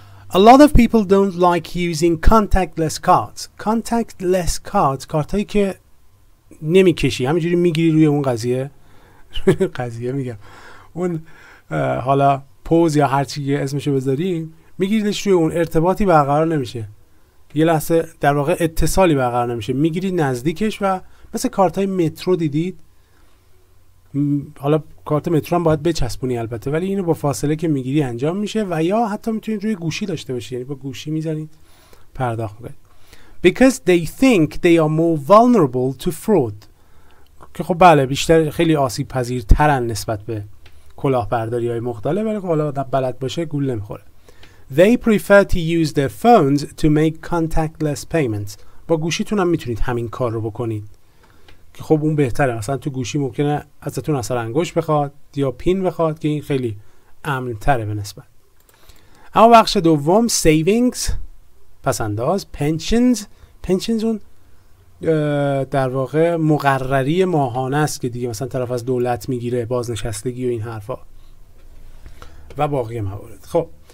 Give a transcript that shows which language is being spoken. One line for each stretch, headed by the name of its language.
English: A lot of people don't like using contactless cards.
Persian: Contactless cards کارتایی که نمیکشی، همینجوری میگیری روی اون قضیه قضیه میگم اون حالا پوز یا هر چیزی که اسمشو بذاریم، میگیریش روی اون، ارتباطی برقرار نمیشه، یه لحظه در واقع اتصالی برقرار نمیشه، میگیری نزدیکش و مثل کارتای مترو دیدید، حالا کارت مترو هم باید بچسبونی البته، ولی اینو با فاصله که میگیری انجام میشه، و یا حتی میتونید روی گوشی داشته باشی، یعنی با گوشی میزنید پرداخت میکنید.
English: Because they think they are more vulnerable to fraud.
Persian: که خب بله بیشتر خیلی آسیب پذیرترن نسبت به کلاهبرداری های مختلف، ولی خب حالا بلد باشه گول نمیخوره.
English: They prefer to use their phones to make contactless payments.
Persian: با گوشیتون هم میتونید همین کار رو بکنید، که خب اون بهتره، مثلا تو گوشی ممکنه ازتون اثر انگشت بخواد یا پین بخواد، که این خیلی امن‌تره به نسبت. اما بخش دوم savings، پسنداز، pensions اون در واقع مقرری ماهانه است که دیگه مثلا طرف از دولت میگیره، بازنشستگی و این حرفا و باقی موارد. خب